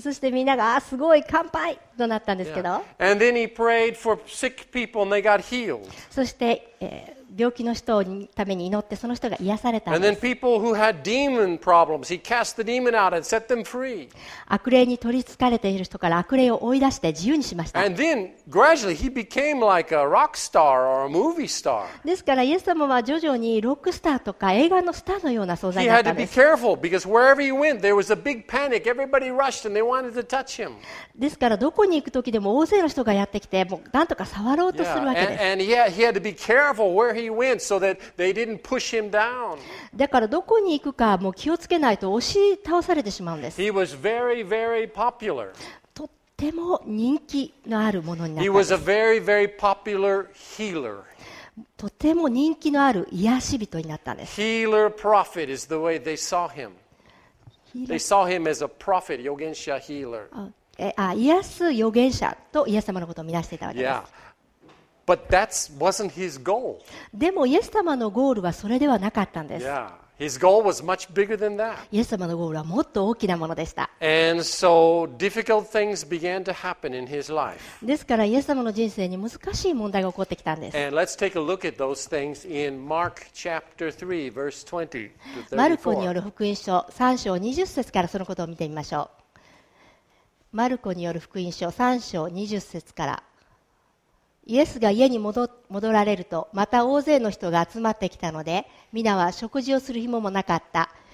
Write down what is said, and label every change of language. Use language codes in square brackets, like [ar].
[ja] そしてみんなが、あ、すごい乾杯となったんですけど。 [en] Yeah. And then he prayed for sick people and they got healed. [ja] そして、病気の人のために祈ってその人が癒されたんです。 [en] And then people who had demon problems, he cast the demon out and set them free. [ja] 悪霊に取り憑かれている人から悪霊を追い出して自由にしました。 [en] And then gradually he became like a rock star or a movie star. [ja] ですからイエス様は徐々にロックスターとか映画のスターのような存在になったんです。 [en] He had to be careful because wherever he went, there was a big panic. Everybody rushed and they wanted to touch him. [ja] ですからどこに行く時でも大勢の人がやってきて、もう何とか触ろうとするわけです。 [en] Yeah. And he had to be careful where he went so that they didn't push him down. [ja] だからどこに行くかもう気をつけないと押し倒されてしまうんです。 [en] He was very, very popular. [ja] とっても人気のあるものになったんです。 [en] He was a very, very popular healer. [ja] とても人気のある癒し人になったんです。 [en] Healer prophet is the way they saw him. They saw him as a prophet, 預言者 healer. [ja] あ、癒す預言者とイエス様のことを見なしていたわけです。 [en] Yeah. But that wasn't his goal. [ja] でもイエス様のゴールはそれではなかったんです。 [en] Yeah. His goal was much bigger than that. [ja] イエス様のゴールはもっと大きなものでした。 [en] And so difficult things began to happen in his life. [ja] ですからイエス様の人生に難しい問題が起こってきたんです。 [en] And let's take a look at those things in Mark chapter 3, verse 20 to 34. [ja] マルコによる福音書3章20節からそのことを見てみましょう。マルコによる福音書3章20節から。イエスが家に戻られると、また大勢の人が集まってきたので、皆は食事をする暇もなかった。